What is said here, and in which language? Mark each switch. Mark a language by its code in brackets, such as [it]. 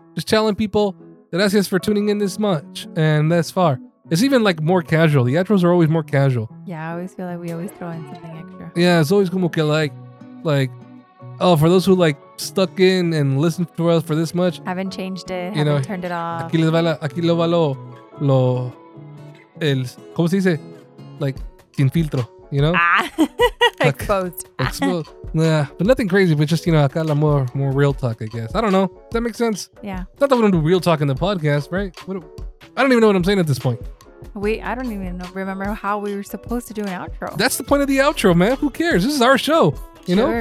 [en] Just telling people gracias for tuning in this much and thus far. It's even like more casual. The outros are always more casual. Yeah, I always feel like we always throw in something extra. Yeah, it's always [es] como que [en] like, oh, for those who like stuck in and listened to us for this much. Haven't changed it. You know, turned it off. [es] Aquí les va la, aquí lo va lo, el, ¿cómo se dice? [en] Like, [es] sin filtro, [en] you know? Ah, like, exposed. Exposed. Nah, but nothing crazy, but just, you know, [es] acá la [en] more real talk, I guess. I don't know. Does that make sense? Yeah. Not that we don't do real talk in the podcast, right? I don't even know what I'm saying at this point. I don't even remember how we were supposed to do an outro. That's the point of the outro, man. Who cares? This is our show. You know?